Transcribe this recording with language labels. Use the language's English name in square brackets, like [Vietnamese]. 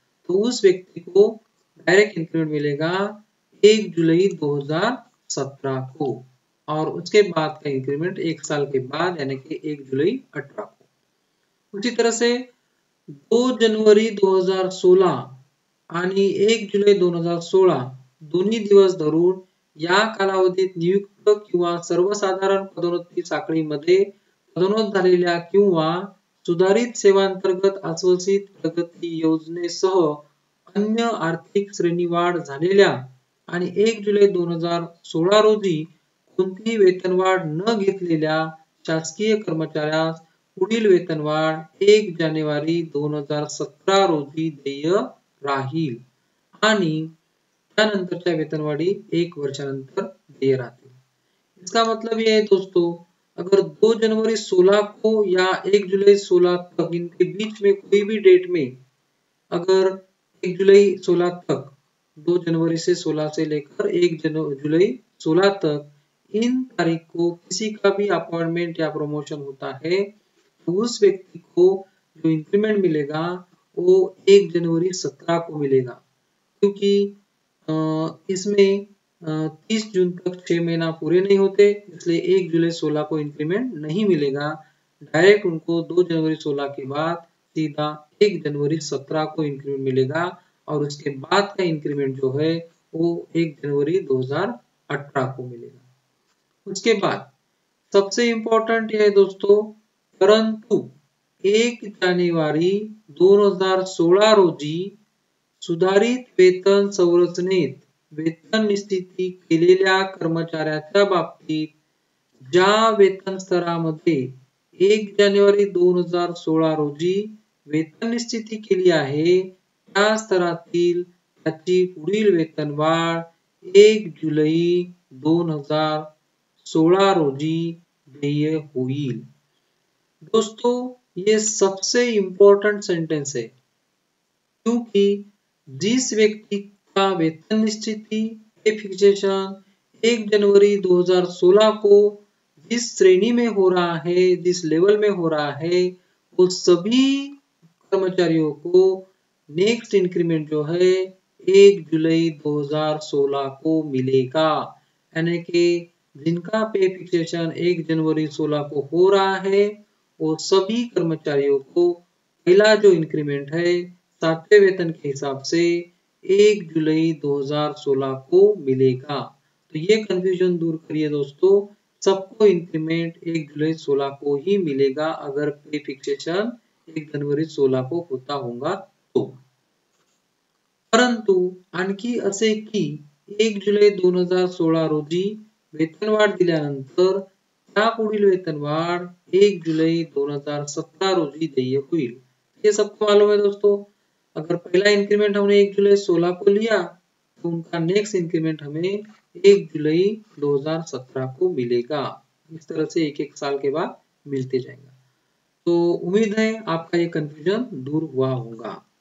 [Hindi] तो उस व्यक्ति को डायरेक्ट इंक्रीमेंट मिलेगा 1 जुलाई 2017 को, और उसके बाद का इंक्रीमेंट 1 साल के बाद यानी कि 1 जुलाई 2018 को। [Marathi] उसी तरह से 2 जनवरी 2016 आणि 1 जुलै 2016 दोन्ही दिवस धरून या कालावधीत नियुक्त किंवा सर्वसाधारण पदोन्नती साखळीमध्ये पदोन्नत झालेल्या किंवा सुधारित सेवांतर्गत आश्वासित प्रगती योजनेसह अन्य आर्थिक श्रेणीवाढ झालेल्या आणि 1 जुलै 2016 रोजी कोणतीही वेतनवाढ न घेतलेल्या शासकीय कर्मचाऱ्यास पुढील वेतनवाढ 1 जानेवारी 2017 रोजी देय राहील आणि त्यानंतरच्या वेतनवाढी 1 वर्षानंतर देय राहतील। [Hindi] इसका मतलब ये है दोस्तों, अगर 2 जनवरी 2016 को या 1 जुलै 2016 तक इनके बीच में कोई भी डेट में अगर 1 जुलै 2016 तक, 2 जनवरी से 2016 से लेकर 1 जुलै 2016 तक इन तारीख को किसी का भी अपॉइंटमेंट या प्रमोशन होता है तो उस व्यक्ति को जो इंक्रीमेंट मिलेगा वो 1 जनवरी 2017 को मिलेगा, क्योंकि इसमें 30 जून तक 6 महीना पूरे नहीं होते, इसलिए 1 जुलै 2016 को इंक्रीमेंट नहीं मिलेगा। डायरेक्ट उनको 2 जनवरी 2016 के बाद सीधा 1 जनवरी 2017 को इंक्रीमेंट मिलेगा, और उसके बाद का इंक्रीमेंट जो है वो 1 जनवरी 2018 को मिलेगा। उसके बाद सबसे इम्पोर्टेंट यह है दोस्तों, [Marathi] 1 जानेवारी 2016 रोजी सुधारित वेतन संरचनेत वेतन निश्चिती केलेल्या कर्मचाऱ्याच्या बाबतीत ज्या वेतन स्तरामध्ये 1 जानेवारी 2016 रोजी वेतन निश्चिती केली आहे त्या स्तरातील त्याची पुढील वेतनवाढ 1 जुलै 2016 रोजी देय होईल। [Hindi] दोस्तों ये सबसे इम्पोर्टेंट सेंटेंस है क्योंकि जिस व्यक्ति का वेतन निश्चिति फिक्सेशन 1 जनवरी 2016 को जिस श्रेणी में हो रहा है जिस लेवल में हो रहा है वो सभी कर्मचारियों को नेक्स्ट इंक्रीमेंट जो है 1 जुलाई 2016 को मिलेगा। यानी कि जिनका पे फिक्सेशन 1 जनवरी 16 को हो रहा है वो सभी कर्मचारियों को पहला जो इंक्रीमेंट है सातवें वेतन के हिसाब से 1 जुलाई 2016 को मिलेगा। तो ये कंफ्यूजन दूर करिए दोस्तों, सबको इंक्रीमेंट 1 जुलाई 16 को ही मिलेगा अगर पे फिक्सेशन 1 जनवरी 16 को होता होगा तो। [Marathi] परंतु आणखी असे की 1 जुलै 2016 रोजी वेतनवाढ दिल्यानंतर त्यापुढील वेतनवाढ 1 जुलै 2017 रोजी देय होईल, हे सबको मालूम आहे दोस्तों। [Hindi] अगर पहला इंक्रीमेंट हमने 1 जुलै 16 को लिया तो उनका नेक्स्ट इंक्रीमेंट हमें 1 जुलै 2017 को मिलेगा। इस तरह से एक एक साल के बाद मिलते जाएगा। तो उम्मीद है आपका ये कंफ्यूजन दूर हुआ होगा।